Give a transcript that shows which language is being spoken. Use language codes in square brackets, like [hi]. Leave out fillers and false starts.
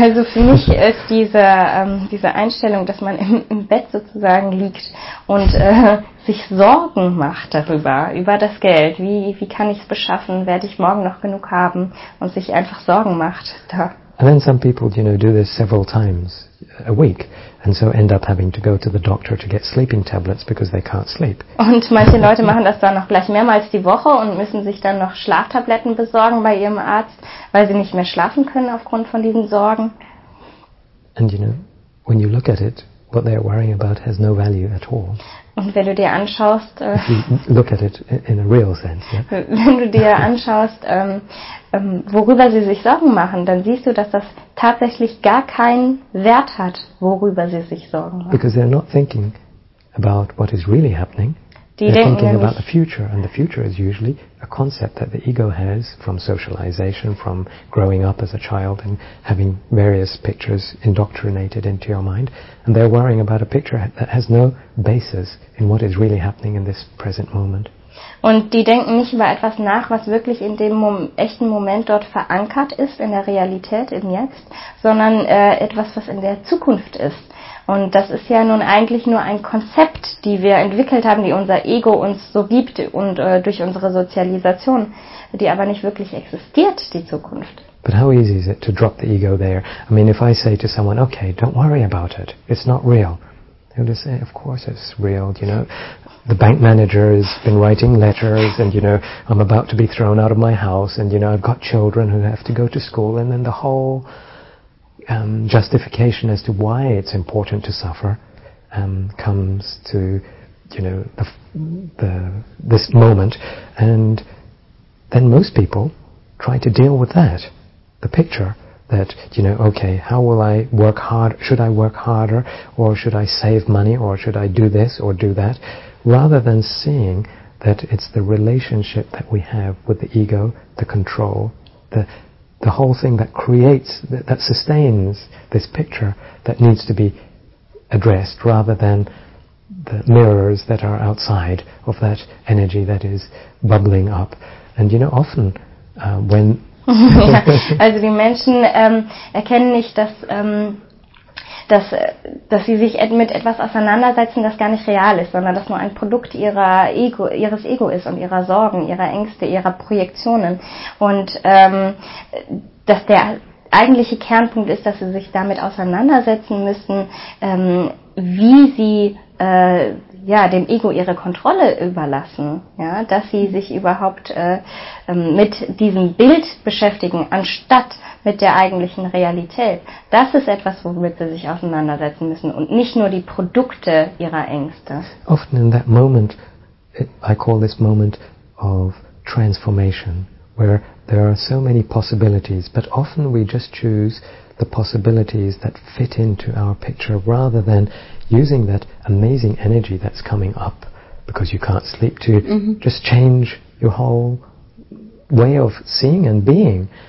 [de] Also für mich ist diese Einstellung, dass man im Bett sozusagen liegt und sich Sorgen macht darüber, über das Geld, wie kann ich es beschaffen, werde ich morgen noch genug haben, und sich einfach Sorgen macht da. [en] And then some people, you know, do this several times a week and so end up having to go to the doctor to get sleeping tablets because they can't sleep. [de] Und manche Leute machen das dann noch gleich mehrmals die Woche und müssen sich dann noch Schlaftabletten besorgen bei ihrem Arzt, weil sie nicht mehr schlafen können aufgrund von diesen Sorgen. [en] And you know, when you look at it, what they are worrying about has no value at all. [de] Und wenn du dir anschaust, [en] look at it in a real sense, yeah? [de] Wenn du dir anschaust, worüber sie sich Sorgen machen, dann siehst du, dass das tatsächlich gar keinen Wert hat, worüber sie sich Sorgen machen. [en] Because they're not thinking about what is really happening. [de] Die [en] they're thinking about the future, and the future is usually a concept that the ego has from socialization, from growing up as a child and having various pictures indoctrinated into your mind, and they're worrying about a picture that has no basis in what is really happening in this present moment. [de] Und die denken nicht über etwas nach, was wirklich in dem echten Moment dort verankert ist, in der Realität, im Jetzt, sondern etwas, was in der Zukunft ist. Und das ist ja nun eigentlich nur ein Konzept, die wir entwickelt haben, die unser Ego uns so gibt und durch unsere Sozialisation, die aber nicht wirklich existiert, die Zukunft. [en] But how easy is it to drop the ego there? I mean, if I say to someone, okay, don't worry about it, it's not real. They'll just say, of course it's real, you know. The bank manager has been writing letters and, you know, I'm about to be thrown out of my house and, you know, I've got children who have to go to school, and then the whole justification as to why it's important to suffer comes to, you know, this moment. And then most people try to deal with that, the picture that, you know, okay, how will I work hard? Should I work harder, or should I save money, or should I do this or do that? Rather than seeing that it's the relationship that we have with the ego, the control, the whole thing that creates, that sustains this picture, that needs to be addressed, rather than the mirrors that are outside of that energy that is bubbling up. And you know, often when... [de] Ja, also die Menschen erkennen nicht, dass sie sich mit etwas auseinandersetzen, das gar nicht real ist, sondern das nur ein Produkt ihres Ego ist und ihrer Sorgen, ihrer Ängste, ihrer Projektionen. Und dass der eigentliche Kernpunkt ist, dass sie sich damit auseinandersetzen müssen, wie sie dem Ego ihre Kontrolle überlassen, ja, dass sie sich überhaupt mit diesem Bild beschäftigen, anstatt mit der eigentlichen Realität. Das ist etwas, womit sie sich auseinandersetzen müssen, und nicht nur die Produkte ihrer Ängste. [en] Often in that moment, I call this moment of transformation, where there are so many possibilities, but often we just choose the possibilities that fit into our picture, rather than using that amazing energy that's coming up because you can't sleep to just change your whole way of seeing and being.